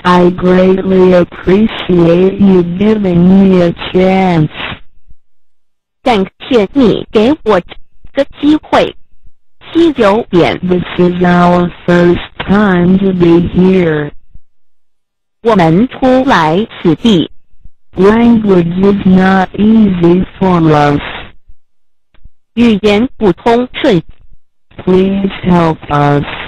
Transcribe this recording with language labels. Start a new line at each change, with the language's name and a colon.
English: I greatly appreciate you giving me a chance.
Chinese: 感谢你给我这个机会。79点
English: This is our first time to be here.
Chinese: 我们初来此地。
English: Language is not easy for us.
Chinese: 语言不通顺。
English: Please help us.